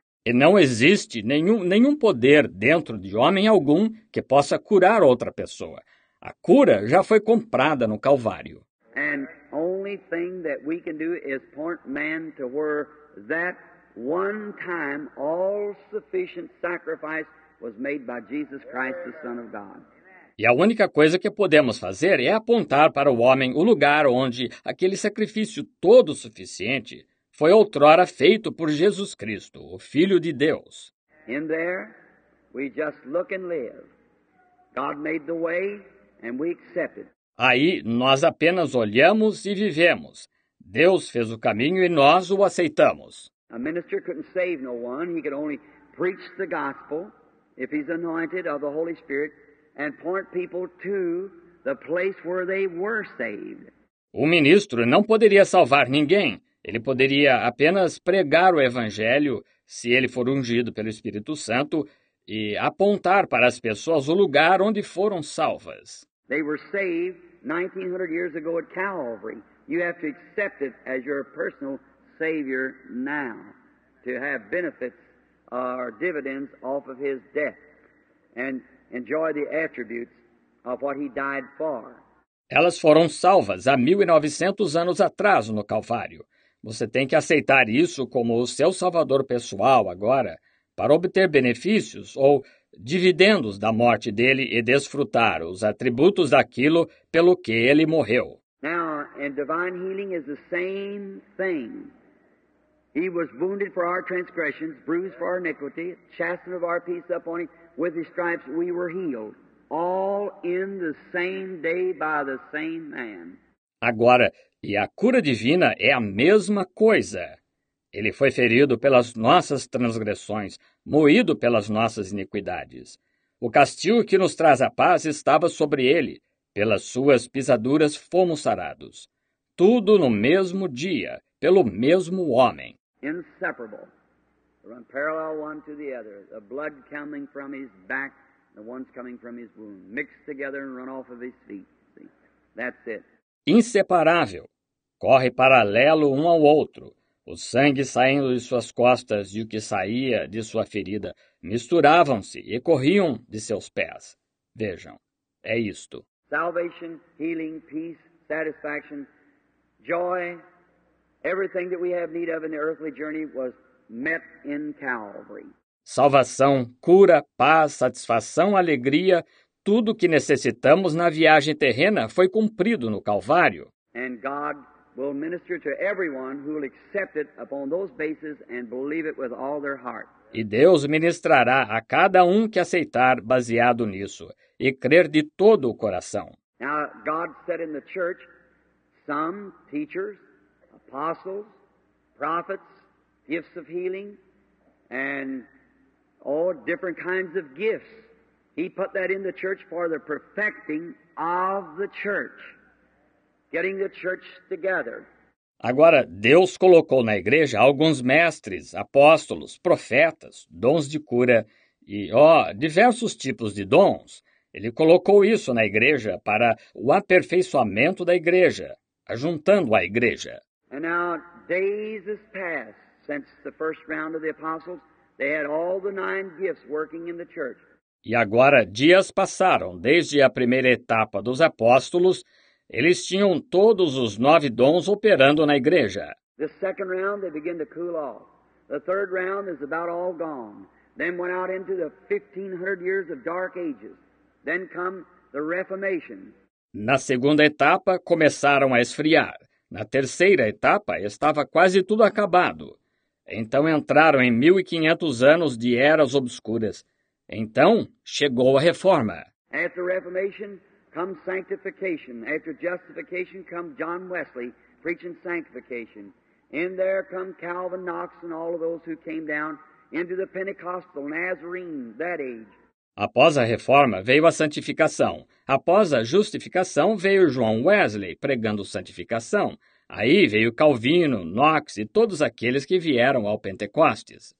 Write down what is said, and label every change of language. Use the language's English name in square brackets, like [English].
[Portuguese] E não existe nenhum poder dentro de homem algum que possa curar outra pessoa. A cura já foi comprada no Calvário. [English] And only thing that we can do is point man to where that one time all sufficient sacrifice was made by Jesus Christ, the Son of God. [Portuguese] E a única coisa que podemos fazer é apontar para o homem o lugar onde aquele sacrifício todo suficiente foi outrora feito por Jesus Cristo, o Filho de Deus. [English] In there, we just look and live. God made the way and we accept it. [Portuguese] Aí, nós apenas olhamos e vivemos. Deus fez o caminho e nós o aceitamos. [English] A minister couldn't save no one. He could only preach the gospel if he's anointed of the Holy Spirit and point people to the place where they were saved. [Portuguese] O ministro não poderia salvar ninguém. Ele poderia apenas pregar o evangelho, se ele for ungido pelo Espírito Santo, e apontar para as pessoas o lugar onde foram salvas. [English] They were saved 1900 years ago at Calvary. You have to accept it as your personal savior now to have benefits or dividends off of his death and enjoy the attributes of what he died for. [Portuguese] Elas foram salvas há 1900 anos atrás no Calvário. Você tem que aceitar isso como o seu salvador pessoal agora para obter benefícios ou dividendos da morte dele e desfrutar os atributos daquilo pelo que ele morreu. [English] Now, and divine healing is the same thing. He was wounded for our transgressions, bruised for our iniquity, chastened of our peace upon him. With his stripes we were healed. All in the same day by the same man. [Portuguese] Agora, e a cura divina é a mesma coisa. Ele foi ferido pelas nossas transgressões, moído pelas nossas iniquidades. O castigo que nos traz a paz estava sobre ele. Pelas suas pisaduras fomos sarados. Tudo no mesmo dia, pelo mesmo homem. [English] Inseparable. Run parallel one to the other. The blood coming from his back, the ones coming from his wound. Mixed together and run off of his feet. See? That's it. [Portuguese] Inseparável. Corre paralelo um ao outro. O sangue saindo de suas costas e o que saía de sua ferida misturavam-se e corriam de seus pés. Vejam, é isto. [English] salvation, healing, peace, satisfaction, joy, everything that we have need of in the earthly journey was met in Calvary. [Portuguese] Salvação, cura, paz, satisfação, alegria, tudo que necessitamos na viagem terrena foi cumprido no Calvário. [English] And God will minister to everyone who will accept it upon those bases and believe it with all their heart. [Portuguese] E Deus ministrará a cada um que aceitar baseado nisso e crer de todo o coração. [English] Now, God said in the church, some teachers, apostles, prophets, gifts of healing, and all different kinds of gifts. He put that in the church for the perfecting of the church, getting the church together. [Portuguese] Agora, Deus colocou na igreja alguns mestres, apóstolos, profetas, dons de cura e, diversos tipos de dons. Ele colocou isso na igreja para o aperfeiçoamento da igreja, ajuntando a igreja. [English] And now, days have passed since the first round of the apostles. They had all the nine gifts working in the church. [Portuguese] E agora, dias passaram desde a primeira etapa dos apóstolos. Eles tinham todos os nove dons operando na igreja. [English] The second round, they begin to cool off. The third round is about all gone. Then went out into the 1500 years of dark ages. Then come the Reformation. [Portuguese] Na segunda etapa, começaram a esfriar. Na terceira etapa, estava quase tudo acabado. Então entraram em 1500 anos de eras obscuras. Então, chegou a Reforma. [English] After Reformation, come sanctification. After justification, come John Wesley preaching sanctification. In there come Calvin, Knox, and all of those who came down into the Pentecostal Nazarene that age. [Portuguese] Após a Reforma, veio a santificação. Após a justificação, veio João Wesley pregando santificação. Aí veio Calvino, Knox e todos aqueles que vieram ao Pentecostes.